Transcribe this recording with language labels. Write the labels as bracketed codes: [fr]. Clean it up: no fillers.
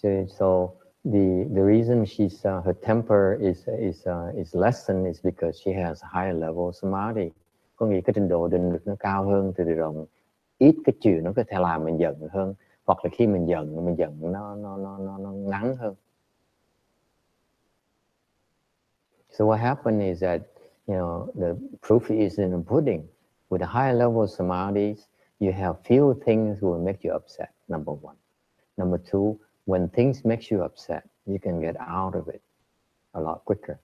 [en] So the reason she's her temper is lessened is because she has higher level samadhi. [vi] Có nghĩa cái trình độ định lực nó cao hơn thì điều động ít cái chuyện nó có thể làm mình giận hơn, hoặc là khi mình giận nó ngắn hơn. [en] So what happened is that, you know, the proof is in the pudding. With a higher level of samadhis, you have few things will make you upset, number one. Number two, when things make you upset, you can get out of it a lot quicker.